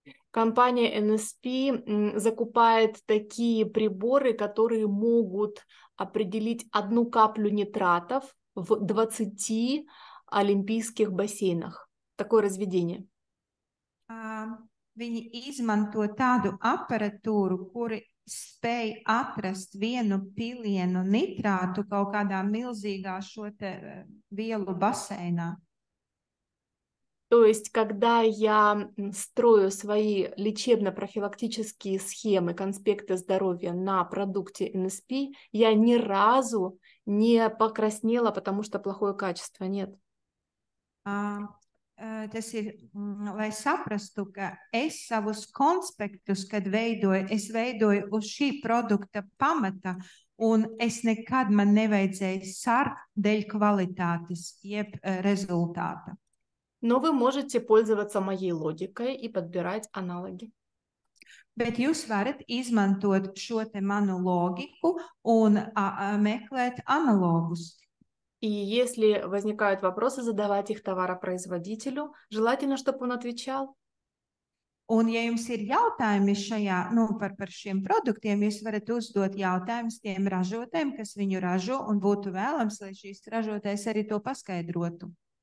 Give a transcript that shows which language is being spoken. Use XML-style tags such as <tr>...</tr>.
<ru>Компания NSP закупает такие приборы, которые могут определить одну каплю нитратов в 20 олимпийских бассейнах. Такое разведение.</ru> <lv>Viņi izmanto tādu aparatūru, kuri spēj atrast vienu pilienu nitrātu kaut kādā milzīgā šo te vielu baseinā.</lv> <ru>То есть, когда я строю свои лечебно-профилактические схемы, конспекты здоровья на продукте NSP, я ни разу не покраснела, потому что плохое качество нет.</ru> <lv>Tas ir, lai saprastu, ka es savus konspektus, kad veidoju, es veidoju uz šī produkta pamata, un es nekad man nevajadzēju sarkt dēļ kvalitātes, jeb rezultāta.</lv> <ru>Но вы можете пользоваться моей логикой и подбирать аналоги.</ru> <lv>Bet jūs varat izmantot šo te manu logiku un meklēt analogus.</lv> <ru>И если возникают вопросы, задавать их товаропроизводителю, желательно, чтобы он отвечал.</ru> <lv>Un ja jums ir jautājumi šajā, nu, par šiem produktiem, jūs varat uzdot jautājumus tiem ražotājiem, kas viņu ražo, un būtu vēlams, lai šīs ražotājs arī to paskaidrotu.</lv>